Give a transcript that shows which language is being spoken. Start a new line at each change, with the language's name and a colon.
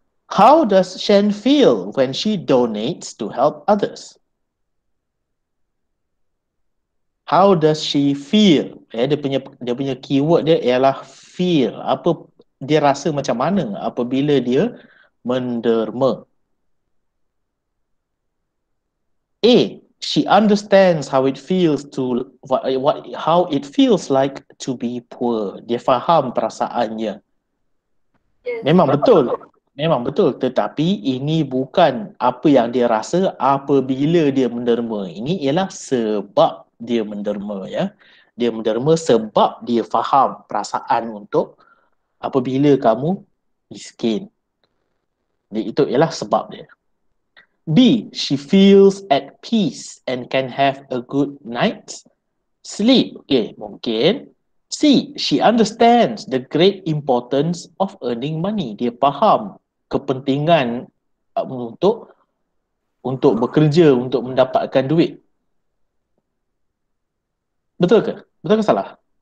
English: How does Shen feel when she donates to help others? How does she feel?
Malay: Dia punya keyword dia ialah feel. Apa dia rasa macam mana apabila dia menderma?
English: A, she understands how it feels to how it feels like to be poor.
Malay: Dia faham perasaannya. Memang betul. Memang betul, tetapi ini bukan apa yang dia rasa apabila dia menderma. Ini ialah sebab dia menderma ya. Dia menderma sebab dia faham perasaan untuk apabila kamu miskin. Jadi itu ialah sebab dia.
English: B, she feels at peace and can have a good night's sleep.
Malay: Okay, mungkin.
English: C, she understands the great importance of earning money.
Malay: Dia faham kepentingan untuk bekerja, untuk mendapatkan duit. Betul ke? Betul ke salah?